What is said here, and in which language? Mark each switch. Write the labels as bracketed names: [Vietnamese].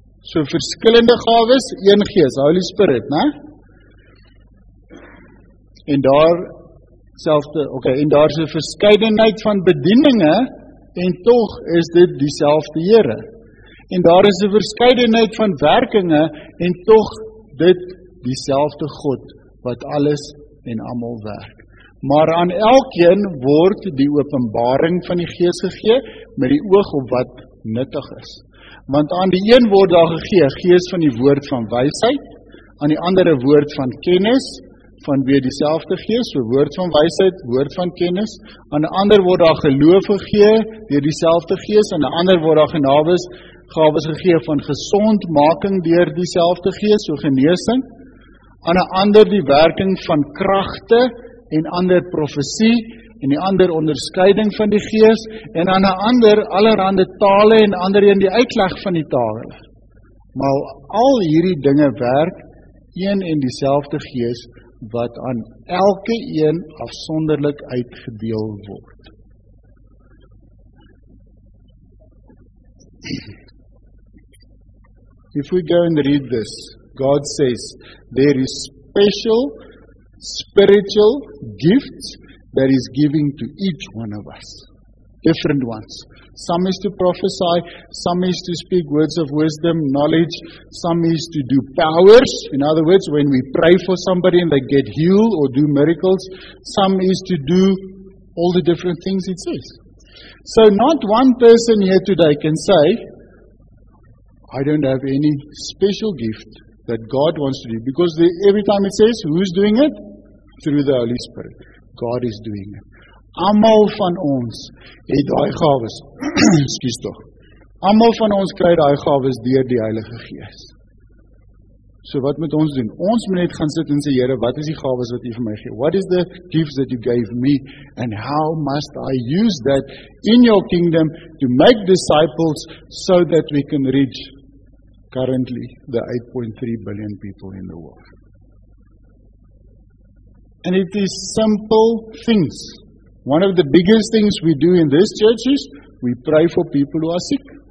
[Afrikaans] So verskillende gawes, een gees, Holy Spirit, ne? En daar selfde, okay, en daar is 'n verskeidenheid van bedieninge, en tog is dit dieselfde Here. En daar is 'n verskeidenheid van werkinge, en tog dit dieselfde God, wat alles en almal werk. Maar aan elkeen word die openbaring van die Gees gegee met die oog op wat nuttig is. Want aan die een word daar gegee gees van die woord van wysheid, aan die andere woord van kennis, van weer dieselfde gees, so woord van wysheid, woord van kennis, aan die ander word daar geloof gegee weer dieselfde gees, aan die ander word daar gawes gegee van gesondmaking deur dieselfde gees, so genesing, aan die ander die werking van kragte, en ander profesie, en die ander onderskeiding van die gees, en aan 'n ander allerhande tale en ander een die uitleg van die tale. Maar al hierdie dinge werk een en dieselfde gees wat aan elke een afsonderlik uitgedeel word. [English] If we go and read this, God says, there is special spiritual gifts that is giving to each one of us. Different ones. Some is to prophesy, some is to speak words of wisdom, knowledge, some is to do powers. In other words, when we pray for somebody and they get healed or do miracles, some is to do all the different things it says. So not one person here today can say, I don't have any special gift that God wants to do. Because every time it says, who's doing it? Through the Holy Spirit. God is doing it. [Afrikaans] Almal van ons het daai gawes. Ekskuus tog. Almal van ons kry daai gawes deur die Heilige Gees. So wat moet ons doen? Ons moet net gaan sit en sê, Here, wat is die gawes wat U vir my gee? [English] What is the gifts that you gave me and how must I use that in your kingdom to make disciples so that we can reach currently the 8.3 billion people in the world? And it is simple things. One of the biggest things we do in this church is we pray for people who are sick.